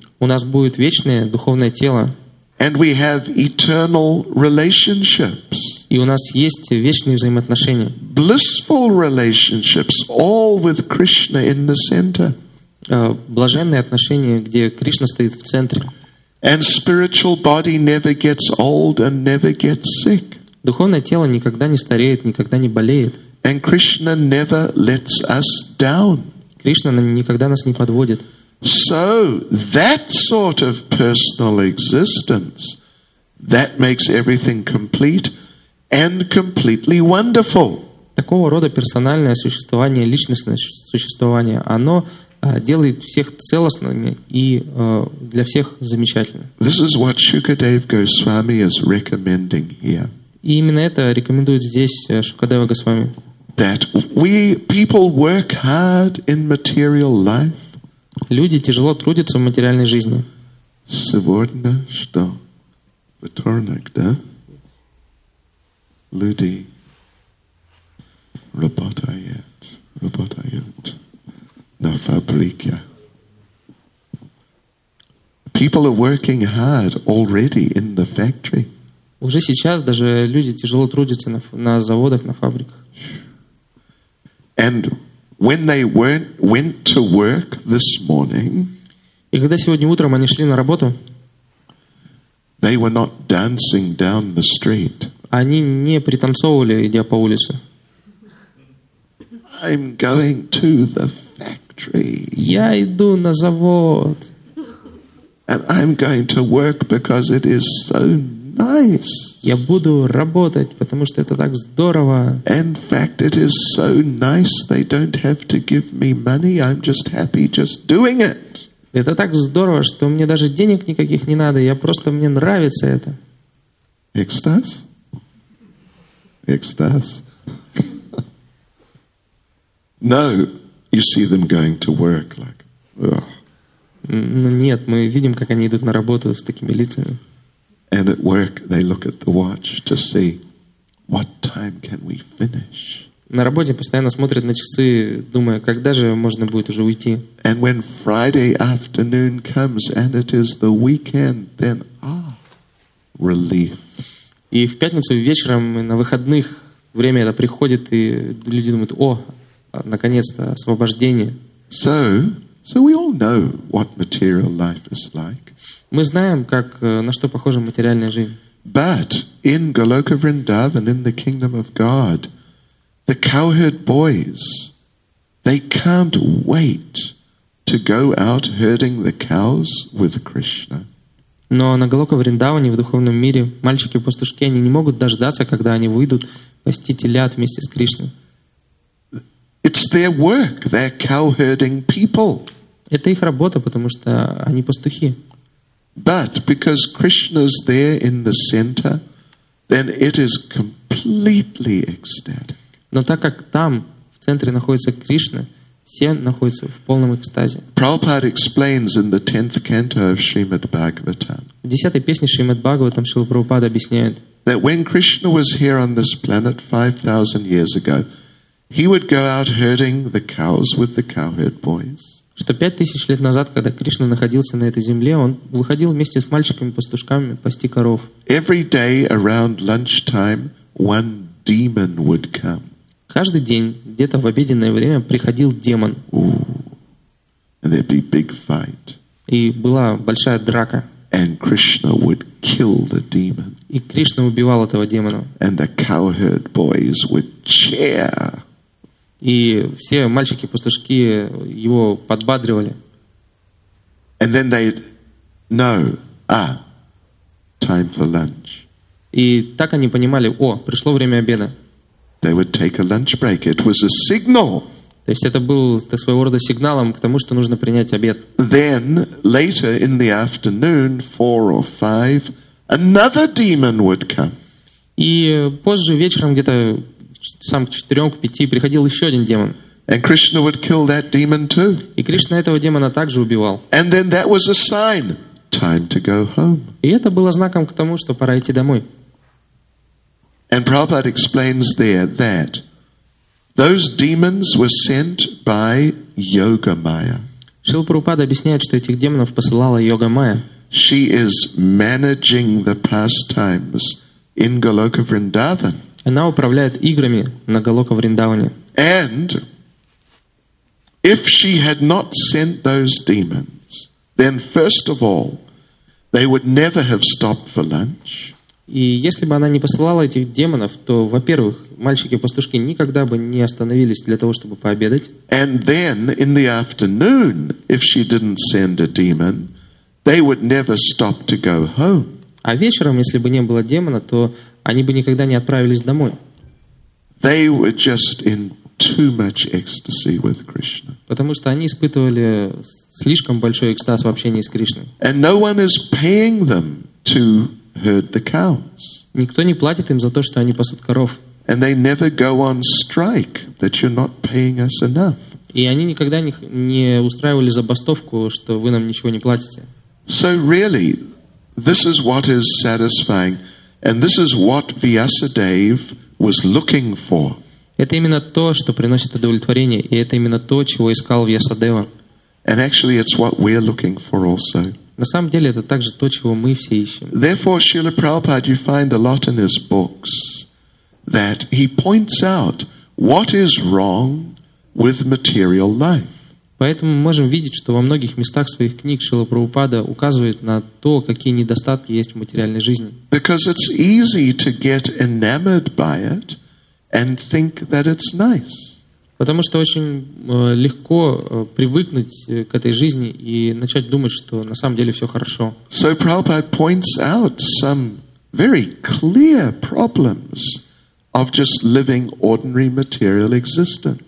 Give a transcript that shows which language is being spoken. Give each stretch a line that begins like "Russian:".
Russian: У нас будет вечное духовное тело.
English: And we have eternal relationships.
Russian: И у нас есть вечные взаимоотношения.
English: Blissful relationships, all with Krishna in the center.
Russian: Блаженные отношения, где Кришна стоит в центре.
English: And spiritual body never gets old and never gets sick.
Russian: Духовное тело никогда не стареет, никогда не болеет.
English: And Krishna never lets us down.
Russian: Кришна никогда нас не подводит.
English: So that sort of personal existence that makes everything complete and completely wonderful.
Russian: Такого рода персональное существование, личностное существование, оно делает всех целостными и для всех замечательными.
English: This is what Shukadev Goswami is recommending here.
Russian: И именно это рекомендует здесь Шукадева Госвами.
English: That we people work hard in material life.
Russian: Люди тяжело трудятся в материальной жизни. Сегодня что? Вторник, да? Люди работают на фабрике.
English: People are working hard already in the factory.
Russian: Уже сейчас даже люди тяжело трудятся на заводах, на фабриках.
English: And when they went to work this morning,
Russian: и когда сегодня утром они шли на работу,
English: they were not dancing down the street.
Russian: Они не пританцовывали, идя по улице.
English: I'm going to the factory.
Russian: Я иду на завод.
English: And I'm going to work because it is so nice.
Russian: Я буду работать, потому что это так здорово.
English: In fact, it is so nice. They don't have to give me money. I'm just happy just doing it.
Russian: Это так здорово, что мне даже денег никаких не надо. Я просто мне нравится это. Экстаз? Экстаз?
English: No, You see them going to work like, ugh.
Russian: Ну нет, мы видим, как они идут на работу с такими лицами.
English: And at work they look at the watch to see what time can we finish.
Russian: На работе постоянно смотрят на часы, думая, когда же можно будет уже уйти.
English: And when Friday afternoon comes and it is the weekend, then relief.
Russian: И в пятницу вечером и на выходных время это приходит, и люди думают: о, наконец-то освобождение.
English: So we all know what material life is like.
Russian: Мы знаем, как, на что похожа материальная жизнь.
English: But in Goloka Vrindavan, in the kingdom of God, the cowherd boys, they can't wait to go out herding the cows with Krishna.
Russian: Но на Голока Вриндаване, в духовном мире, мальчики-пастушки, они не могут дождаться, когда они выйдут пасти телят вместе с Кришной.
English: It's their work. They're cowherding people.
Russian: Это их работа, потому что они пастухи.
English: But because Krishna's there in the center, then it is completely ecstatic.
Russian: Но так как там, в центре, находится Кришна, все находятся в полном экстазе.
English: Prabhupada explains in the 10th canto of Srimad Bhagavatam.
Russian: В 10-й песне Шримад Бхагаватам Шрила Прабхупада объясняет.
English: That when Krishna was here on this planet 5000 years ago, he would go out herding the cows with the cowherd boys.
Russian: Что 5000 лет назад, когда Кришна находился на этой земле, он выходил вместе с мальчиками-пастушками пасти коров.
English: Every day around lunchtime, one demon would come.
Russian: Каждый день, где-то в обеденное время, приходил демон.
English: And there'd be big fight.
Russian: И была большая драка.
English: And Krishna would kill the demon.
Russian: И Кришна убивал этого демона.
English: And the cowherd boys would cheer.
Russian: И все мальчики-пастушки его подбадривали.
English: And then they'd know, time for lunch.
Russian: И так они понимали: о, пришло время обеда.
English: They would take a lunch break. It was a signal.
Russian: То есть это был своего рода сигналом к тому, что нужно принять обед.
English: Then later in the afternoon, 4 or 5, another demon would come.
Russian: И позже вечером где-то сам к 4-5 приходил еще один демон.
English: And Krishna would kill that demon too.
Russian: И Кришна этого демона также убивал.
English: And then that was a sign. Time to go home.
Russian: И это было знаком к тому, что пора идти домой.
English: And Prabhupada explains there that those demons were sent by Yoga Maya.
Russian: Шрила Прабхупада объясняет, что этих демонов посылала Йога Майя.
English: She is managing the pastimes in Goloka Vrindavan.
Russian: Она управляет играми на Голока Вриндаване.
English: And if she had not sent those demons, then first of all, they would never have stopped for lunch.
Russian: И если бы она не посылала этих демонов, то, во-первых, мальчики-пастушки никогда бы не остановились для того, чтобы пообедать.
English: And then, in the afternoon, if she didn't send a demon, they would never stop to go home.
Russian: А вечером, если бы не было демона, то они бы никогда не отправились домой.
English: They were just in too much ecstasy with Krishna.
Russian: Потому что они испытывали слишком большой экстаз в общении с Кришной.
English: And no one is paying them to herd the cows.
Russian: Никто не платит им за то, что они пасут коров.
English: And they never go on strike that you're not paying us enough.
Russian: И они никогда не устраивали забастовку, что вы нам ничего не платите.
English: So really, this is what is satisfying, and this is what Vyasadeva was looking for.
Russian: Это именно то, что приносит удовлетворение, и это именно то, чего искал Вьясадева.
English: And actually, it's what we're looking for also.
Russian: На самом деле, это также то, чего мы все ищем.
English: Therefore, Srila Prabhupada, you find a lot in his books that he points out what is wrong with material life.
Russian: Поэтому мы можем видеть, что во многих местах своих книг Шрила Прабхупада указывает на то, какие недостатки есть в материальной жизни.
English: Because it's easy to get enamored by it and think that it's nice.
Russian: Потому что очень легко привыкнуть к этой жизни и начать думать, что на самом деле все хорошо.
English: So Prabhupada points out some very clear problems of just living ordinary material existence.